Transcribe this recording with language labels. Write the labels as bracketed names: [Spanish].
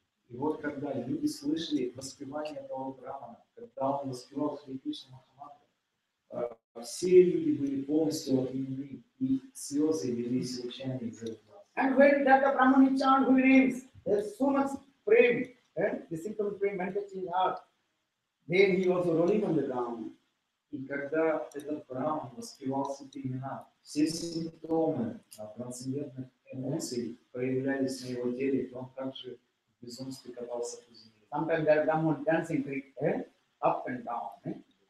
[Russian] И вот когда люди слышали воспевание этого Брахмана, когда он воспевал Хари Кришна Махамантру, все люди были полностью опьянены, и слезы велись лучами из этого. [English] And when that Brahman chants holy names, there's so much prem, the symptom of prem manifests in his heart. Then he also rolling on the ground. [Russian] И когда этот Брахман воспевал святые имена, все симптомы трансцендентных эмоций проявлялись на его теле, и он также [English] Sometimes there are Brahman dancing, up and down.